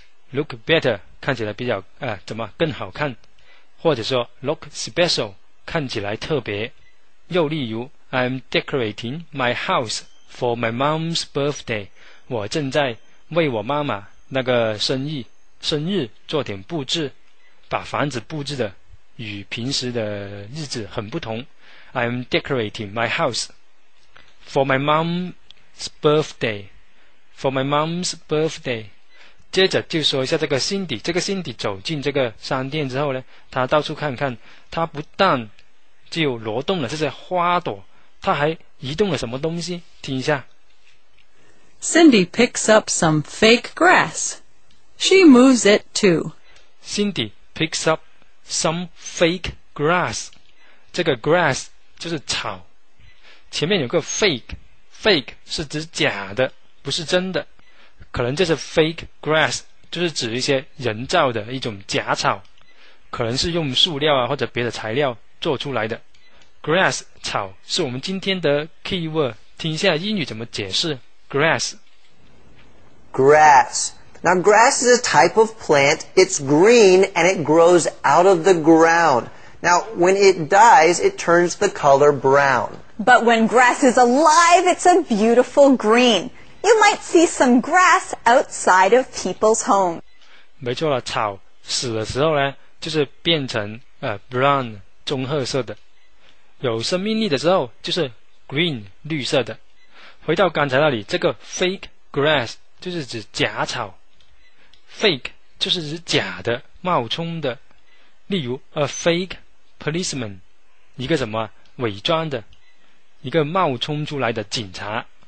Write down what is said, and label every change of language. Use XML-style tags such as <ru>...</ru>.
<en>Look better,</en> <zh>看起来比较怎么更好看，或者说</zh> <en>look special,</en> <zh>看起来特别。又例如</zh> <en>I'm decorating my house for my mom's birthday,</en> <zh>我正在为我妈妈那个生日做点布置，把房子布置的与平时的日子很不同。</zh> <en>I'm decorating my house for my mom's birthday, for my mom's birthday.</en> <zh>接着就说一下这个辛迪，这个辛迪走进这个商店之后呢，他到处看看，他不但就挪动了这些花朵，他还移动了什么东西？听一下。</zh> <en>Cindy picks up some fake grass. She moves it too. Cindy picks up some fake grass.</en> <zh>这个 grass 就是草，前面有个 fake 是指假的，不是真的。可能这是 fake grass, 就是指一些人造的一种假草，可能是用塑料啊或者别的材料做出来的。 Grass 草是我们今天的 keyword, 听一下英语怎么解释 grass。</zh> <en>Grass. Now grass is a type of plant, it's green and it grows out of the ground. Now when it dies, it turns the color brown. But when grass is alive, it's a beautiful green. You might see some grass outside of people's homes.</en> <zh>没错了，草死的时候呢，就是变成brown 棕褐色的。有生命力的时候，就是 green 绿色的。回到刚才那里，这个 fake grass 就是指假草。 Fake 就是指假的、冒充的。例如</zh> <en>a fake policeman,</en> <zh>一个什么伪装的、一个冒充出来的警察。</zh>